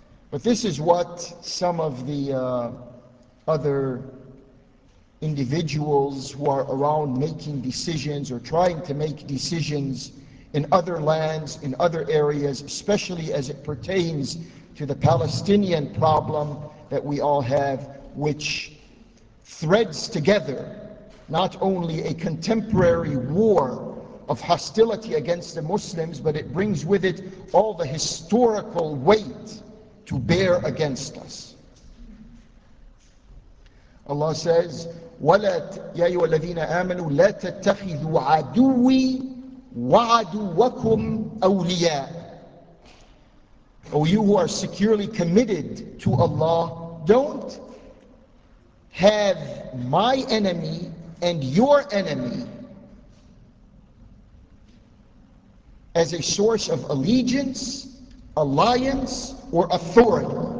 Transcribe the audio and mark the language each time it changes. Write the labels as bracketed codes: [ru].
[en] But this is what some of the other individuals who are around making decisions or trying to make decisions in other lands, in other areas, especially as it pertains to the Palestinian problem that we all have, which threads together not only a contemporary war of hostility against the Muslims, but it brings with it all the historical weight to bear against us. Allah says, [ar] وَلَا يَا أَيُّهَا الَّذِينَ آمَنُوا لَا تَتَّخِذُوا عَدُوِّي وَعَدُوَّكُمْ أَوْلِيَاءَ. [en] O you who are securely committed to Allah, don't have my enemy and your enemy as a source of allegiance, alliance, or authority.